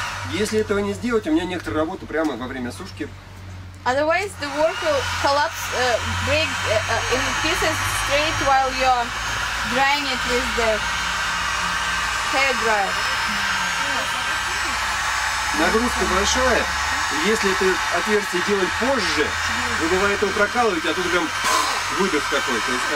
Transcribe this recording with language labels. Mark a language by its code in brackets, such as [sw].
[ru] Если этого не сделать, у меня некоторые работы прямо во время сушки. [en] Otherwise the work will collapse break in pieces straight while you're drying it with the hair dryer. [ru] Нагрузка большая. Если это отверстие делать позже, вы бывает его прокалываете, а тут прям выдох какой-то.